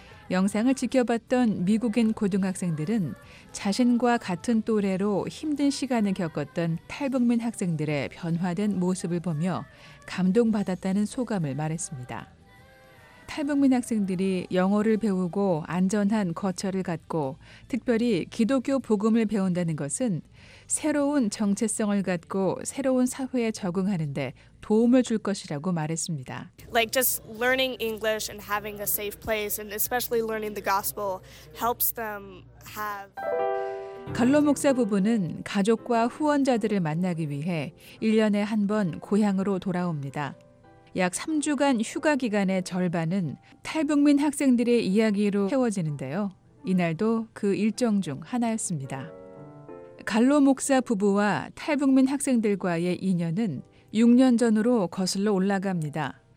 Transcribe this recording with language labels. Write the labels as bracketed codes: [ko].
[ko] 영상을 지켜봤던 미국인 고등학생들은 자신과 같은 또래로 힘든 시간을 겪었던 탈북민 학생들의 변화된 모습을 보며 감동받았다는 소감을 말했습니다. 탈북민 학생들이 영어를 배우고 안전한 거처를 갖고 특별히 기독교 복음을 배운다는 것은 새로운 정체성을 갖고 새로운 사회에 적응하는 데 도움을 줄 것이라고 말했습니다. [en] Like just learning English and having a safe place and especially learning the gospel helps them have [ko] 갈로 목사 부부는 가족과 후원자들을 만나기 위해 1년에 한 번 고향으로 돌아옵니다. 약 3주간 휴가 기간의 절반은 탈북민 학생들의 이야기로 채워지는데요. 이날도 그 일정 중 하나였습니다. 갈로 목사 부부와 탈북민 학생들과의 인연은 6년 전으로 거슬러 올라갑니다.